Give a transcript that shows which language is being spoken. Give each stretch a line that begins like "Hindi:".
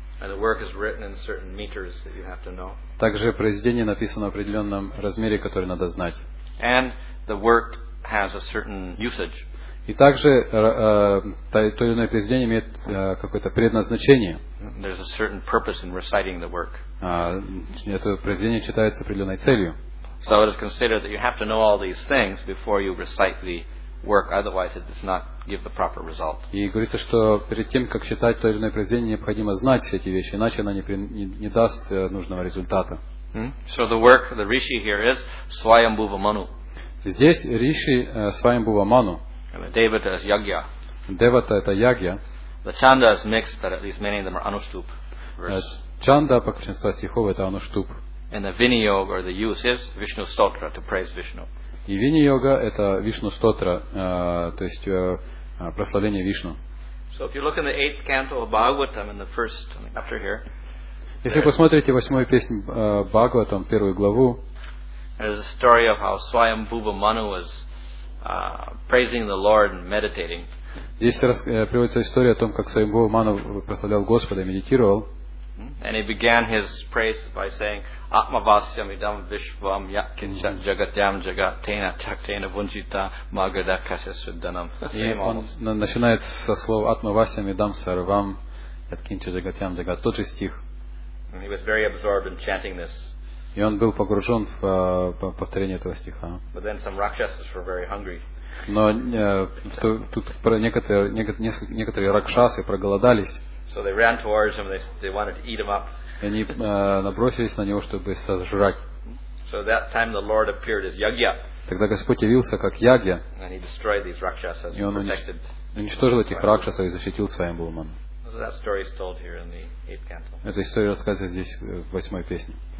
English: And the work is written in certain meters that you have to know.
Russian: Также произведение написано в определенном размере, который надо знать.
English: And the work has a certain usage.
Russian: И также то или иное произведение имеет какое-то предназначение.
English: There's a certain purpose in reciting the work.
Russian: Это произведение читается с определенной целью.
English: So it is considered that you have to know all these things before you recite the work, otherwise it does not give the proper result.
Russian: И говорится, что перед тем, как читать то или иное произведение, необходимо знать все эти вещи, иначе оно не даст нужного результата.
English: So the work, the rishi here is Svayambhuva Manu.
Russian: Здесь риши Svayambhuva Manu.
English: And the devata is yagya.
Russian: Devata – это ягья.
English: The chanda is mixed, but at least many of them are anushtup.
Russian: Чанда, по большинству стихов, это anushtup.
English: And the vini-yoga or the use is Vishnu Stotra, to praise Vishnu.
Russian: И вини-йога – это Вишну Стотра, то есть прославление Вишну.
English: So if you look in the eighth canto of Bhagavatam, in the first chapter here.
Russian: Если вы посмотрите восьмую песню Бхагаватам, первую главу.
English: There's a story of how Svayambhuva Manu was praising the Lord and meditating.
Russian: Здесь приводится история о том, как Svayambhuva Manu прославлял Господа и медитировал.
English: And he began his praise by saying,
Sanskrit: Atmavasyam idam vishvam yakincha jagatyam jagatena chaktena vunjita magada kasyasuddhanam.
Russian: И он начинает со слова
Sanskrit: Atmavasyam idam sarvam yakincha jagatyam jagat.
Russian: Тот же стих.
English: And he was very absorbed in chanting this.
Russian: И он был погружен в повторение этого стиха.
English: But then some rakshasas were very hungry.
Russian: Но тут некоторые ракшасы проголодались.
English: So they ran towards him. They wanted to eat him up.
Russian: Они набросились на него, чтобы сожрать.
English: So that time the Lord appeared as Yagya.
Russian: Тогда Господь явился как Ягья.
English: And he destroyed these rakshasas.
Russian: И он уничтожил этих ракшасов и защитил Svayambhuva Manu.
English: So that story is told here in the eighth canto.
Russian: Эта история рассказывается здесь в восьмой песне.